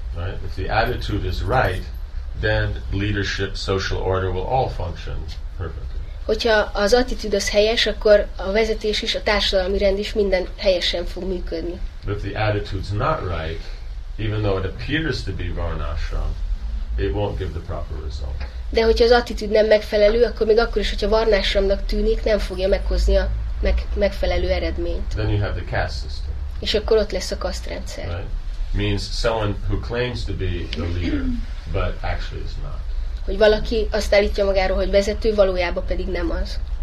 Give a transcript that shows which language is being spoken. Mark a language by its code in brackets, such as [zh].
[en] Right. If the attitude is right, then leadership, social order will all function perfectly. [hu] Hogyha az attitűd az helyes, akkor a vezetés is, a társadalmi rend is minden helyesen fog működni. [en] But if the attitude's not right, even though it appears to be varnashram, it won't give the proper result. [hu] De hogyha az attitűd nem megfelelő, akkor még akkor is, hogyha varnashramnak tűnik, nem fogja meghozni a megfelelő eredményt. [en] Then you have the caste system. [hu] És akkor ott lesz a kasztrendszer. [en] Right. Means someone who claims to be the leader, but actually is not. [hu] Hogy valaki azt állítja magáról, hogy vezető, valójában pedig nem az.